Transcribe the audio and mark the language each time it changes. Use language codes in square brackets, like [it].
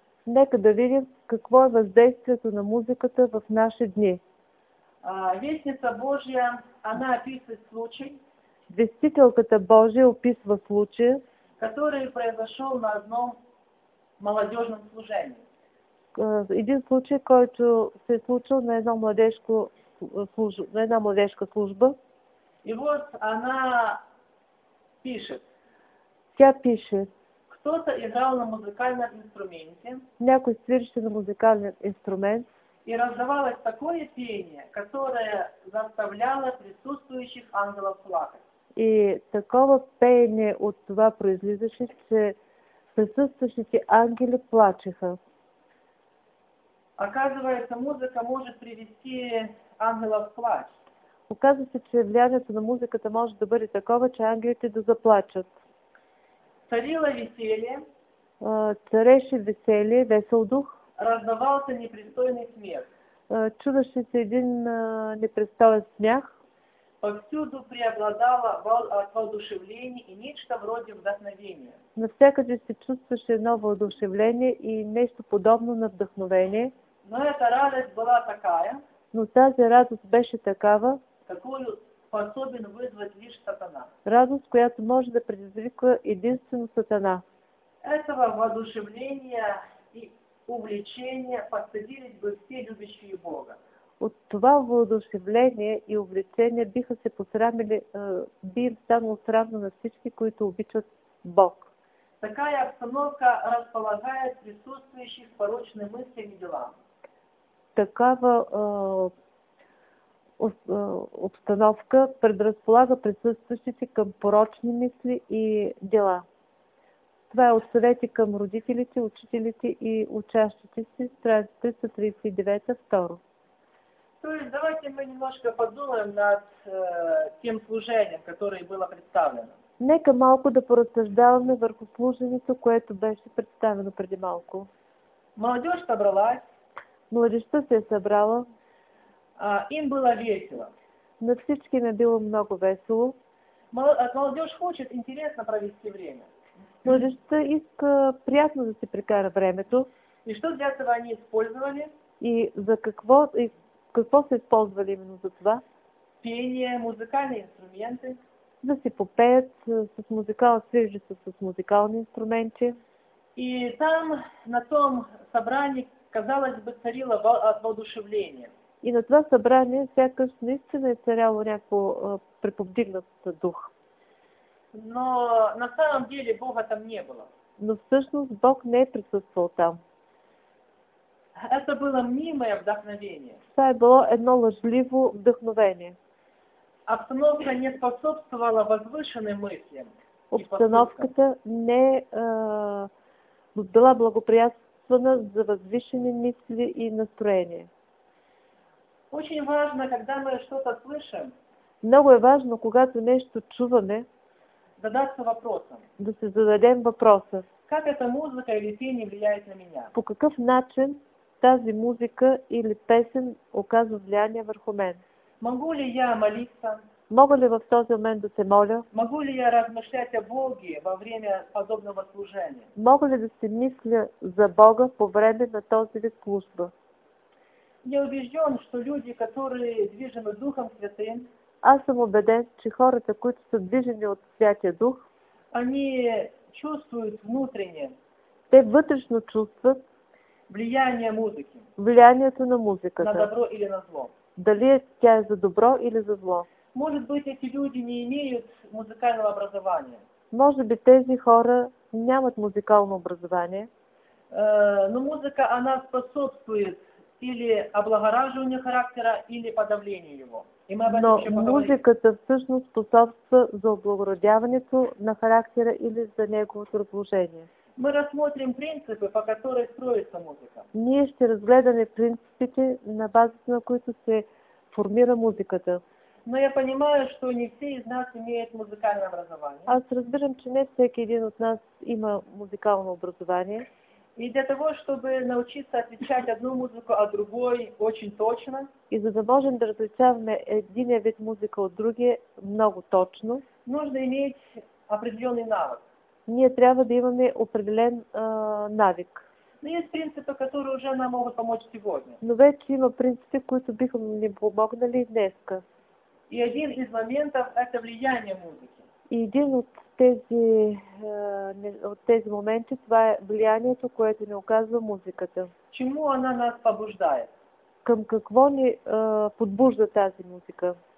[bg] Нека да видим какво е въздействието на музиката в наши дни. [ru] Вестница Божия, она описывает случай. [bg] Вестителката Божия описва случая, [ru] который произошел на одном молодежном служении. [bg] Един случай, който се е случил на едно младежко на една младежка служба. [ru] И вот она пишет. [bg] Тя пише. [ru] Кто-то играл на музыкальном инструменте. [bg] Някой свирише на музикален инструмент. [ru] И раздавалось такое пение, которое заставляло присутствующих ангелов плакать. [bg] И такова пение от това произлизаше, че присутствующите ангели плачеха. [ru] Оказывается, музыка может привести ангелов в плач. Оказывается, [bg] че влиянието на музыката може да бъде такова, че ангелите да заплачат. [ru] Царило веселье. [bg] Цареше веселие, весел дух. [ru] Раздавался непристойный смех. [bg] Чудаше се един непристойен смях. [ru] Повсюду преобладало воодушевление и нечто вроде вдохновения. [bg] Навсякъде се чувстваше едно въодушевление и нещо подобно на вдъхновение. [ru] Но эта радость была такая, [bg] но тази радост беше такава, [ru] какую способен вызвать лишь сатана. [bg] Радост, която може да предизвиква единствено сатана. [ru] Этого воодушевления и увлечения подсадились бы все любящие Бога. [bg] От това въодушевление и увлечение биха се посрамили, би им станало срамно на всички, които обичат Бог. [ru] Такая обстановка располагает присутствующих порочными мыслями и делами. [bg] Такава обстановка предразполага присъстващите към порочни мисли и дела. Това е от съвети към родителите, учителите и учащите си, страница 339-2. [ru] То есть давайте мы немножко подумаем над тем служением, которое было представлено. [bg] Нека малко да поразсъждаваме върху служението, което беше представено преди малко. [ru] Молодежь собралась. [bg] Младежта се е събрала. [ru] Им было весело. [bg] На всички не било много весело. [ru] Молодежь хочет интересно провести время. [bg] Младежта иска приятно да се прекара времето. [ru] И что для этого они использовали? [bg] И за какво, и какво са използвали именно за това? Пение, музикални инструменти. Да си попеят с музикални, свижи се с музикални инструменти. [ru] И там, на том събрани, казалось бы, царило воодушевление. [bg] И на това събрание сякаш наистина е царяло някакво преповдигнат дух. [ru] Но на самом деле Бога там не было. [bg] Но всъщност Бог не е присъствал там. [ru] Это было мнимое вдохновение. [bg] Това е било едно лъжливо вдъхновение. [ru] Обстановка не способствовала възвышеным мыслям. [bg] Обстановката не била благоприятствана за възвишени мисли и настроения. [ru] Очень важно, когда мы что-то слышим. [bg] Много е важно, когато нещо чуваме, [ru] задаться вопросом. [bg] Да се зададем въпроса. [ru] Как эта музыка или пение влияет на меня? [bg] По какъв начин тази музика или песен оказва влияние върху мен? [ru] Могу ли я молиться? [bg] Мога ли в този момент да се моля? [ru] Могу ли я размышлять о Боге во время подобного служения? [bg] Мога ли да се мисля за Бога по време на този вид служба? [ru] Я убежден, что люди, которые движены Духом Святым, [bg] аз съм убеден, че хората, които са движени от Святия Дух, [ru] они чувствуют внутренне, [bg] те вътрешно чувстват [ru] влияние музыки, [bg] влиянието на музиката, [ru] на добро или на зло. [bg] Дали тя е за добро или за зло. [ru] Может быть, эти люди не имеют музыкального образования. [bg] Може би тези хора нямат музикално образование. [ru] Но музыка, она способствует или облагораживание характера, или подавление его. И мы об этом [bg] Но музыката всъщност способства за облагородяването на характера или за неговото разложение. [ru] Мы рассмотрим принципы, по которым строится музыка. [bg] Ние ще разгледаме принципите, на базата на които се формира музыката. [ru] Но я понимаю, что не все из нас имеют музыкальное образование. [bg] Аз разбирам, че не всеки един от нас има музикално образование. [ru] И для того, чтобы научиться отличать одну музыку от другой очень точно. [bg] И за да можем да различаваме един вид музика от другия много точно. [ru] Нужно иметь определенный навык. [bg] Ние трябва да имаме определен навик. [ru] Но есть принципы, которые уже нам могут помочь сегодня. [bg] Но вече има принципи, които биха ни помогнали днеска. [ru] И один из моментов – это влияние музыки. [bg] И един от тези, от тези моменти, това е влиянието, което ни оказва музиката. [ru] Чему она нас побуждает? [bg] Към какво ни подбужда тази музика?